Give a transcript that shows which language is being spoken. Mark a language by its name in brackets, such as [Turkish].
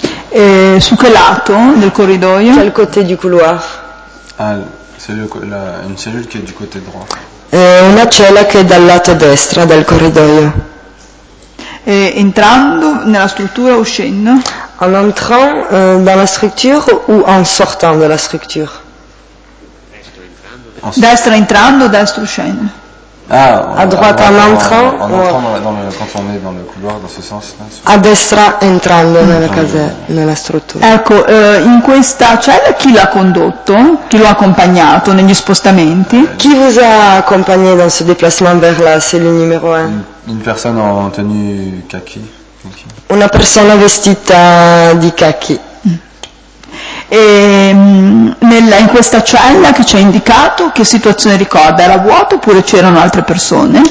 [Italian] E su che lato del corridoio? [French] Quel côté du couloir. Ah, une cellule qui est du côté droit. [Italian] Una cella che è dal lato destro del corridoio. Entrando nella struttura o uscendo? [French] En entrant dans la structure ou en sortant de la structure? [Italian] Destra entrando, destra uscendo. [French] Ah, a droite en entrant. Quand on est dans le couloir, dans ce sens. [Italian] A destra entrando nella casella, nella struttura. Ecco, in questa cella chi l'ha condotto? Chi l'ha accompagnato negli spostamenti? [French] Chi vous a accompagné dans ce déplacement vers la cellule numéro 1? Une personne en tenue kaki. [Italian] Una persona vestita di kaki. E in questa cella che ci ha indicato, che situazione ricorda? Era vuoto oppure c'erano altre persone?